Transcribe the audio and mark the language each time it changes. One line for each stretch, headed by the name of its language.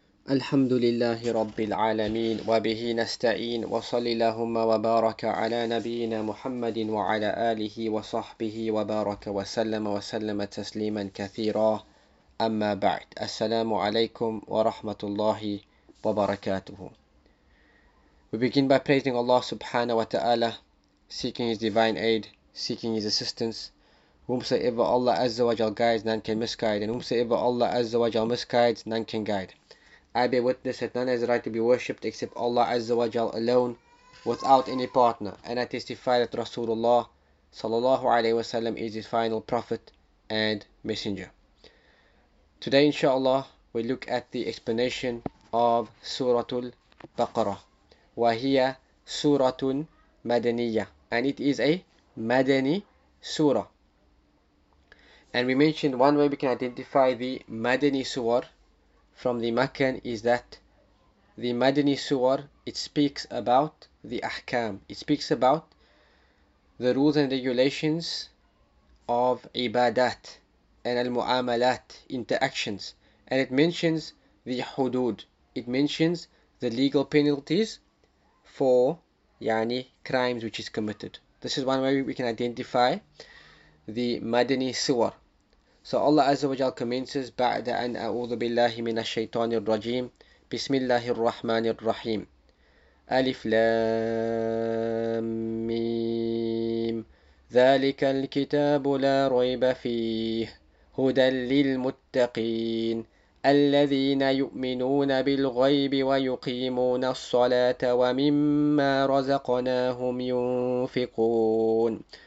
Arabic: الحمد لله رب العالمين وبه نستعين وصلي اللهم وبارك على نبينا محمد وعلى آله وصحبه وبارك وسلم وسلم تسليما كثيرا أما بعد السلام عليكم ورحمة الله وبركاته.
English: We begin by praising Allah subhanahu wa ta'ala, seeking His divine aid, seeking His assistance. Whomsoever Allah Azza wa Jal guides, none can misguide, and whomsoever Allah Azza wa Jal misguides, none can guide. I bear witness that none has the right to be worshipped except Allah Azza wa Jal alone, without any partner, and I testify that Rasulullah Sallallahu Alaihi Wasallam is His final prophet and messenger. Today, inshallah, we look at the explanation of Suratul Baqarah. وهي سورة مدنية, and it is a مدني سورة. And we mentioned one way we can identify the مدني سور from the Meccan is that the مدني سور, it speaks about the أحكام, it speaks about the rules and regulations of عبادات and المعاملات, interactions, and it mentions the حدود, it mentions the legal penalties for yani crimes which is committed. This is one way we can identify the madani suwar. So
Arabic: Allah Azza wa Jalla
English: commences
Arabic: ba'da an a'udhu billahi minash shaitanir rajim bismillahir rahmanir rahim alif lam mim dhalika alkitabu la rayba fih hudan lil muttaqin الذين يؤمنون بالغيب ويقيمون الصلاة ومما رزقناهم ينفقون